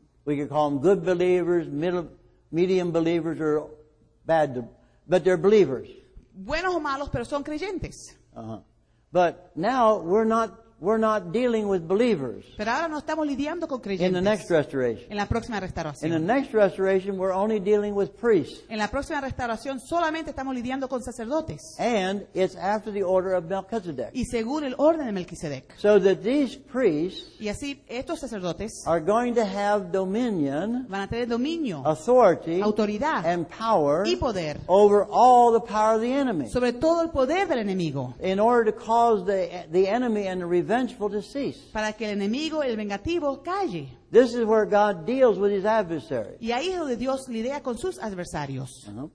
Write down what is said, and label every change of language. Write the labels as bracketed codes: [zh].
[en] We could call them good believers, medium believers, or bad, but they're believers. [es] Buenos o malos, pero son creyentes. [en] But now we're not dealing with believers. [es] Pero ahora no estamos lidiando con creyentes. [en] In the next restoration. [es] En la próxima restauración. [en] In the next restoration, we're only dealing with priests. [es] En la próxima restauración solamente estamos lidiando con sacerdotes. [en] And it's after the order of Melchizedek. [es] Y según el orden de Melquisedec. [en] So that these priests, [es] y así estos sacerdotes, [en] are going to have dominion, [es] van a tener dominio, [en] authority, [es] autoridad, [en] and power, [es] y poder, [en] over all the power of the enemy. [es] Sobre todo el poder del enemigo. [en] In order to cause the enemy and revengeful to cease. [es] Para que el enemigo, el vengativo, calle. [en] This is where God deals with his adversaries. [es] Y ahí es donde Dios lidia con sus adversarios.